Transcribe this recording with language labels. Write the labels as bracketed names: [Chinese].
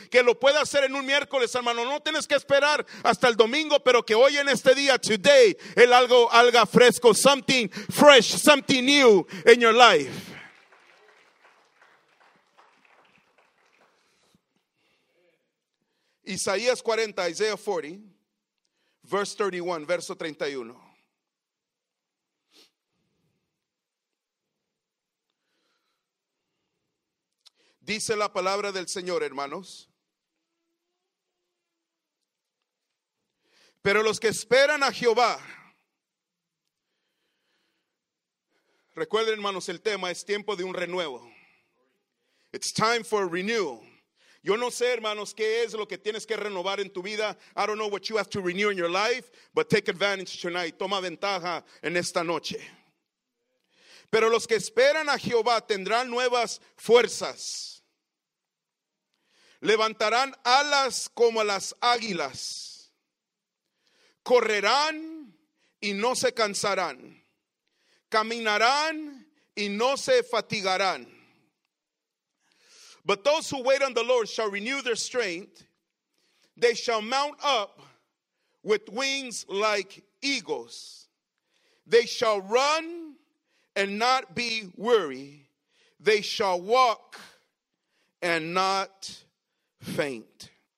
[Spanish] Que lo pueda hacer en un miércoles, hermano. No tienes que esperar hasta el domingo, pero que hoy en este día, [English] today, [Spanish] el algo haga fresco. [English] Something fresh, something new in your life. [Spanish] Isaías 40, [English] Isaiah 40, verse 31, [Spanish] verso 31. Dice la palabra del Señor, hermanos. Pero los que esperan a Jehová, recuerden, hermanos, el tema es tiempo de un renuevo. [English] It's time for renewal. [Spanish] Yo no sé, hermanos, qué es lo que tienes que renovar en tu vida. [English] I don't know what you have to renew in your life, but take advantage tonight. [Spanish] Toma ventaja en esta noche. Pero los que esperan a Jehová tendrán nuevas fuerzas. Levantarán alas como las águilas. Correrán y no se cansarán. Caminarán y no se fatigarán. [English] But those who wait on the Lord shall renew their strength. They shall mount up with wings like eagles. They shall run and not be weary. They shall walk and not faint.